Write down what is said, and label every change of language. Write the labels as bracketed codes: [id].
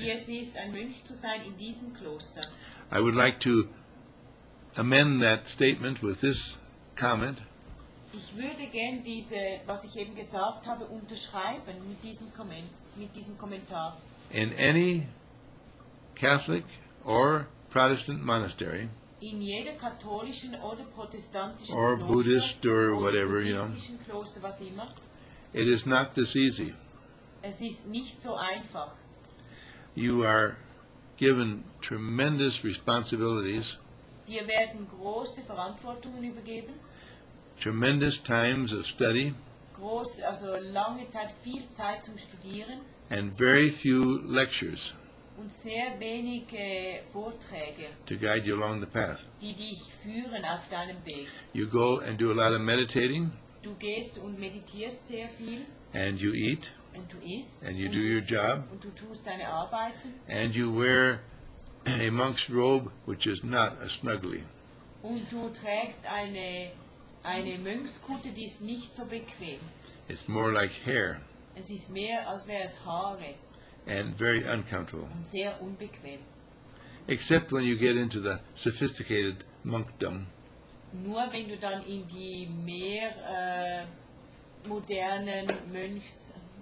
[de] Wie es ist, ein Mönch zu sein in diesem Kloster. [en] I would like to amend that statement with this comment. [de] Ich würde gern diese, was ich eben gesagt habe, unterschreiben mit diesem Kommentar. [en] In any Catholic or Protestant monastery, [de] in jeder katholischen oder protestantischen [en] or [de] Kloster, [en] Buddhist or whatever, you know, [de] Kloster, was immer, [en] it is not this easy. [de] Es ist nicht so einfach. [en] You are given tremendous responsibilities. [de] Wir werden große Verantwortungen übergeben. [en] Tremendous times of study. [de] Groß, also lange Zeit, viel Zeit zum Studieren. [en] And very few lectures. [de] Und sehr wenige Vorträge. [en] To guide you along the path. [de] Die dich führen auf deinem Weg. [en] You go and do a lot of meditating. [de] Du gehst und meditierst sehr viel. [en] And you eat. [de] Und du isst. [en] And you do your job. [de] Und du tust deine Arbeiten. [en] And you wear a monk's robe, which is not a snuggly. [de] Und du trägst eine Mönchskutte, die ist nicht so bequem. [en] It's more like hair. [de] Es ist mehr, als wäre es Haare. [en] And very uncomfortable. [de] Und sehr unbequem. [en] Except when you get into the sophisticated monkdom. [de] Nur wenn du dann in die mehr modernen Mönchs...